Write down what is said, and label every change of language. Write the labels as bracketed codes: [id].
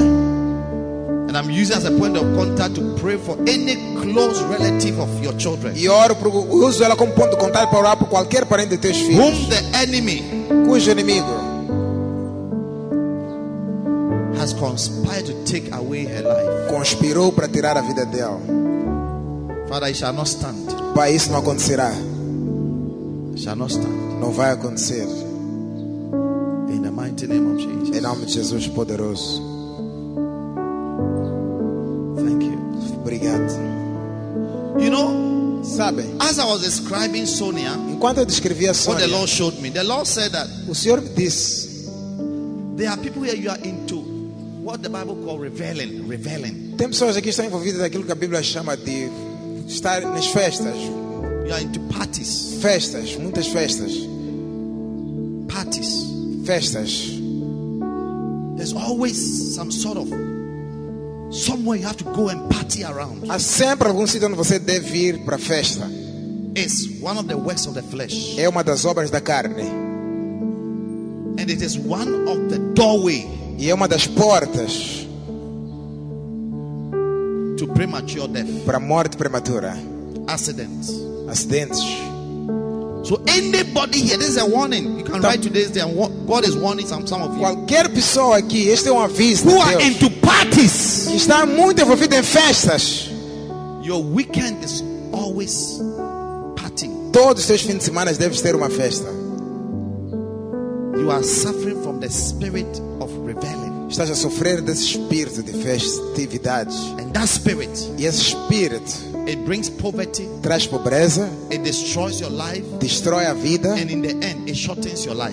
[en] And I'm using as a point of contact to pray for any close relative of your children. [pt] E oro por uso ela como ponto de contato para orar por qualquer parente de teus filhos. [en] Whom the enemy, [pt] cujo inimigo, [en] has conspired to take away her life. [pt] Conspirou para tirar a vida dela. [en] Father, it shall not stand. [pt] Pai, isso não acontecerá. [en] Shall not stand. [pt] Não vai acontecer. [en] In the mighty name of Jesus. [pt] Em nome de Jesus poderoso. [en] Thank you. [pt] Obrigado. [en] You know, [pt] sabe? [en] As I was describing Sonia, [pt] enquanto eu descrevi a Sonia, [en] what the Lord showed me, the Lord said that. [pt] O Senhor disse, [en] there are people here you are into what the Bible calls revelling. [pt] Tem pessoas aqui que estão envolvidas naquilo que a Bíblia chama de estar nas festas. [en] You are into parties. [pt] Festas, muitas festas. [en] Parties. [pt] Festas. [en] There's always some sort of somewhere you have to go and party around. [pt] Há sempre algum sítio onde você deve ir para festa. [en] It's one of the works of the flesh. [pt] É uma das obras da carne. [en] And it is one of the doorway. [pt] E é uma das portas. [en] To premature death. [pt] Para morte prematura. [en] Accidents. Accidents. So anybody here, this is a warning. You can write today's day. God is warning some of you. [pt] Qualquer pessoa aqui, este é um aviso. [en] Who are into parties? [pt] Está muito envolvido em festas. [en] Your weekend is always party. [pt] Todos os seus fins de semana devem ter uma festa. [en] You are suffering from the spirit of rebellion. [pt] Estás a sofrer desse espírito de festividade. [en] And that spirit. [pt] E esse espírito. [en] It brings poverty. [pt] Traz pobreza. [en] It destroys your life. [pt] Destrói a vida. [en] And in the end, it shortens your life.